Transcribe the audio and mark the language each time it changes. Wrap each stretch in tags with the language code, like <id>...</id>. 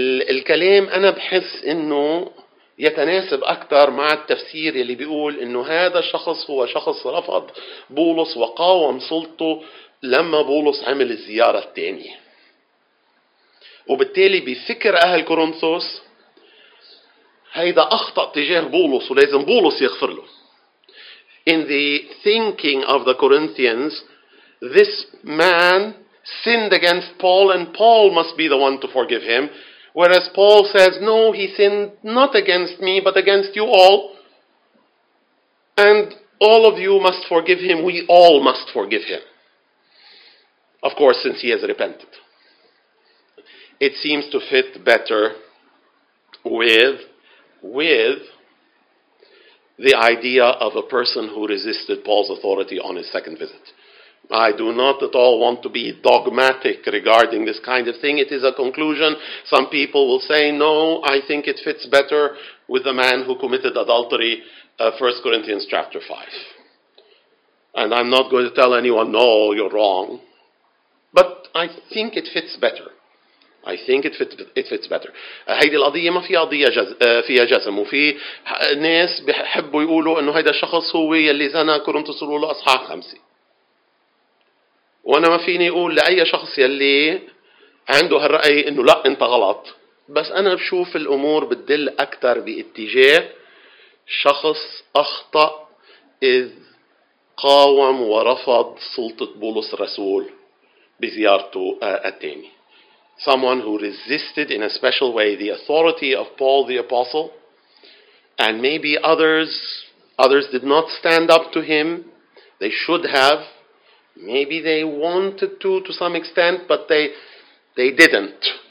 <ar>الكلام انا بحس انه يتناسب أكثر مع التفسير اللي بيقول إنه هذا الشخص هو شخص رفض بولس وقاوم سلطته لما بولس عمل الزيارة الثانية. وبالتالي بفكر أهل كورنثوس هيدا أخطأ تجاه بولس ولازم بولس يغفر له.</ar> <en>In the thinking of the Corinthians, this man sinned against Paul and Paul must be the one to forgive him. Whereas Paul says, no, he sinned not against me, but against you all. And all of you must forgive him. We all must forgive him. Of course, since he has repented. It seems to fit better with the idea of a person who resisted Paul's authority on his second visit. I do not at all want to be dogmatic regarding this kind of thing. It is a conclusion. Some people will say, no, I think it fits better with the man who committed adultery, 1 Corinthians chapter 5. And I'm not going to tell anyone, no, you're wrong. But I think it fits better. I think it fits better.</en> <ar>هيدي القضية ما فيها قضية فيها جزم وفي ناس بحبوا يقولوا انه هيدا الشخص هو يلي زنا كورنثوس الأولى أصحاح 5. وأنا ما فيني أقول لأي شخص يلي عنده هالرأي إنه لا أنت غلط بس أنا بشوف الأمور بتدل أكثر باتجاه شخص أخطأ إذ قاوم ورفض سلطة بولس الرسول بزيارته الثاني.</ar> <en>Someone who resisted in a special way the authority of Paul the Apostle and maybe others did not stand up to him. They should have. Maybe they wanted to some extent, but they didn't.</en>